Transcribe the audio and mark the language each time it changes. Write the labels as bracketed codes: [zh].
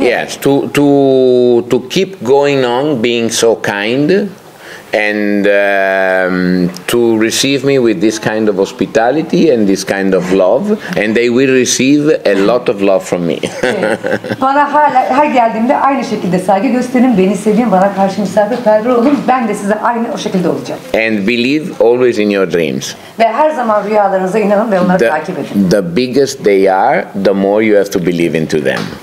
[en] Yes, to keep going on being so kind and to receive me with this kind of hospitality and this kind of love, and they will receive a lot of love from me. [tr] Bana her geldiğimde aynı şekilde saygı gösterin, beni sevin, bana karşı misafirperver olun, ben de size aynı o şekilde olacağım. [en] And believe always in your dreams. [tr] Ve her zaman rüyalarınıza inanın ve onları takip edin. [en] The biggest they are, the more you have to believe into them.